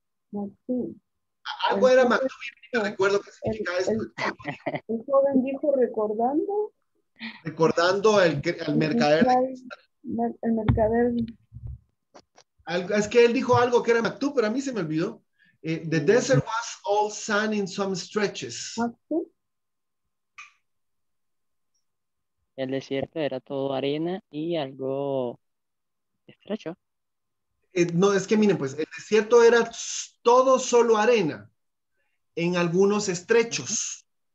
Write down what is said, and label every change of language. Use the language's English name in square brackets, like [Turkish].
[Spanish] Maktub. Algo era Maktub, y no recuerdo qué significaba eso. El joven dijo recordando. Recordando al mercader. El mercader. Es que él dijo algo que era Maktub, pero a mí se me olvidó. [English] The desert was all sand in some stretches. [Spanish] Maktub. El desierto era todo arena y algo estrecho. No, es que miren, pues, el desierto era todo solo arena en algunos estrechos.